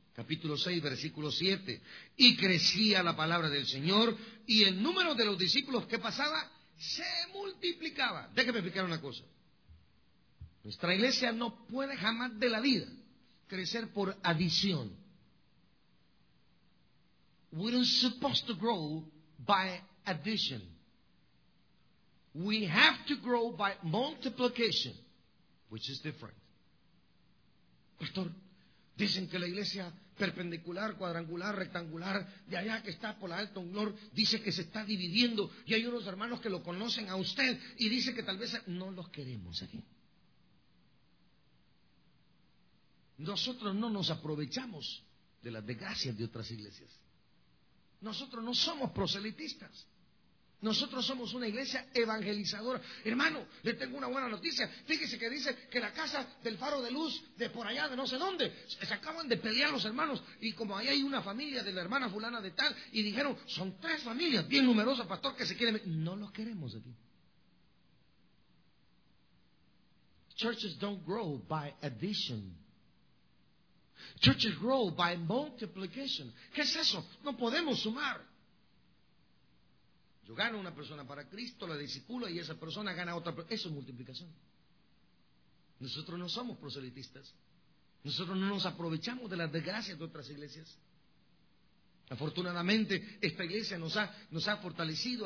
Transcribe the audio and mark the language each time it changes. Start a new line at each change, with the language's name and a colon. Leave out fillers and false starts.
Spanish: Capítulo 6, versículo 7. Y crecía la palabra del Señor, y el número de los discípulos que pasaba se multiplicaba. Déjeme explicar una cosa. Nuestra iglesia no puede jamás de la vida crecer por adición.
English: We don't supposed to grow by addition. We have to grow by multiplication, which is different.
Spanish: Pastor, dicen que la iglesia perpendicular, cuadrangular, rectangular, de allá que está por la Alto Glor, dice que se está dividiendo, y hay unos hermanos que lo conocen a usted y dice que tal vez no los queremos aquí. Nosotros no nos aprovechamos de las desgracias de otras iglesias. Nosotros no somos proselitistas. Nosotros somos una iglesia evangelizadora. Hermano, le tengo una buena noticia. Fíjese que dice que la casa del Faro de Luz, de por allá, de no sé dónde, se acaban de pelear los hermanos, y como ahí hay una familia de la hermana fulana de tal, y dijeron, son tres familias bien numerosas, pastor, que se quieren. No los queremos aquí.
English: Churches don't grow by addition. Churches grow by multiplication.
Spanish: ¿Qué es eso? No podemos sumar. Yo gano una persona para Cristo, la discípula, y esa persona gana otra. Eso es multiplicación. Nosotros no somos proselitistas. Nosotros no nos aprovechamos de las desgracias de otras iglesias. Afortunadamente, esta iglesia nos ha fortalecido.